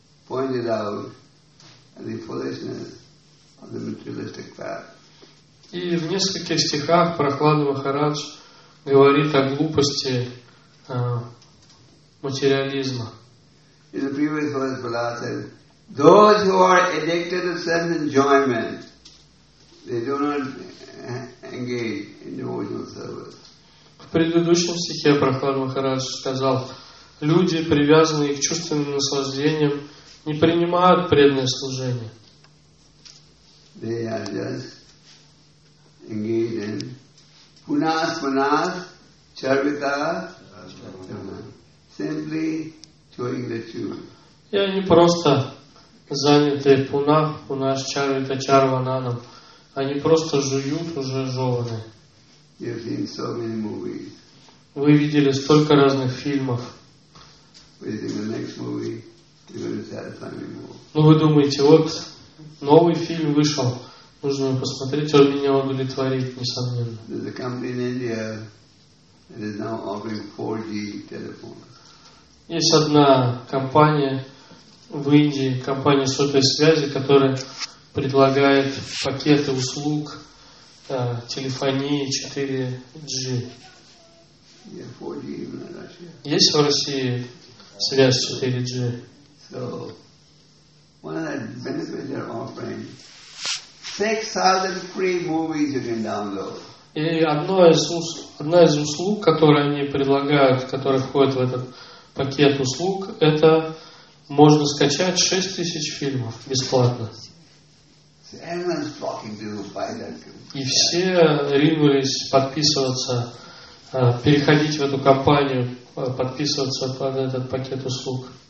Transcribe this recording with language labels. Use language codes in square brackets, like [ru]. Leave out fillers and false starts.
[en] pointed out the foolishness of the materialistic path. [ru] И в нескольких стихах Прохлада Махарадж говорит о глупости материализма. [en] In the previous verse, Bala said, those who are addicted to sense enjoyment, they do not engage in devotional service. [ru] В предыдущем стихе Прохлад Махарадж сказал, люди, привязанные к чувственным наслаждениям, не принимают преданное служение. [en] They are just engaged in punas, punas, charvita, simply chewing the chew. [ru] И они просто заняты пунах, пунаш, чарвита, чарвананом. Они просто жуют уже жеваны. [en] You've seen so many movies. [ru] Вы видели столько разных фильмов. Ну, вы думаете, вот новый фильм вышел, нужно посмотреть, он меня удовлетворит, несомненно. [en] There's a company in India that is now offering 4G telephones. [ru] Есть одна компания в Индии, компания сотовой связи, которая предлагает пакеты услуг телефонии 4G. [en] Yeah, 4G even in Russia. [ru] Есть в России связь 4G? [en] So, one of the benefits they're offering, 6,000 free movies you can download. [ru] И одна из услуг, которые они предлагают, которая входит в этот пакет услуг, это можно скачать 6,000 фильмов бесплатно. И все ринулись подписываться, переходить в эту компанию, подписываться под этот пакет услуг.